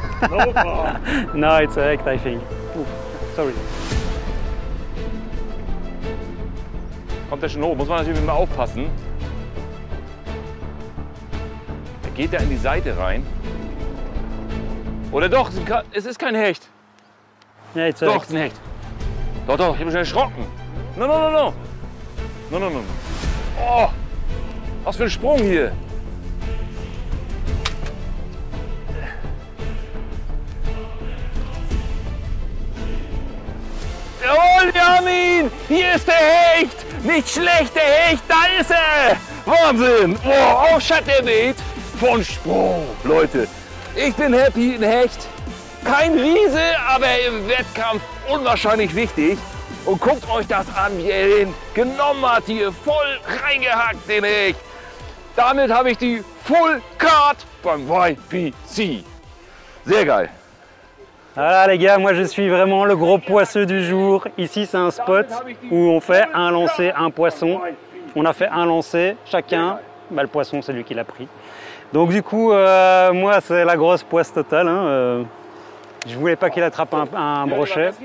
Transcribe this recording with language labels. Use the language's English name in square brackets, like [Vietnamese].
[English] No, oh. No, it's a hecht, I think. Sorry. [German] Kommt der schon hoch? Muss man natürlich immer aufpassen. Geht er in die Seite rein? Oder doch, es ist kein Hecht. Nee, doch, Hecht. Ist ein Hecht. Doch, doch, ich habe mich schon erschrocken. [English] No, no, no, no. No, no, no. [German] Oh, was für ein Sprung hier. Jawohl, wir haben ihn. Hier ist der Hecht. Nicht schlecht, der Hecht. Da ist er. Wahnsinn. Oh, auf Chatterbait. Von Sprung, Leute. Ich bin happy, ein Hecht. Kein Riese, aber im Wettkampf unwahrscheinlich wichtig. Und guckt euch das an, wie er den genommen hat hier. Voll reingehackt, den Hecht. Damit habe ich die Full Card beim YPC. Sehr geil. [French] Voilà les gars, moi je suis vraiment le gros poisseux du jour. Ici c'est un spot où on fait un lancer, un poisson. On a fait un lancer, chacun. Bah, le poisson, c'est lui qui l'a pris. Donc du coup, moi, c'est la grosse poisse totale. Hein. Je voulais pas qu'il attrape un brochet.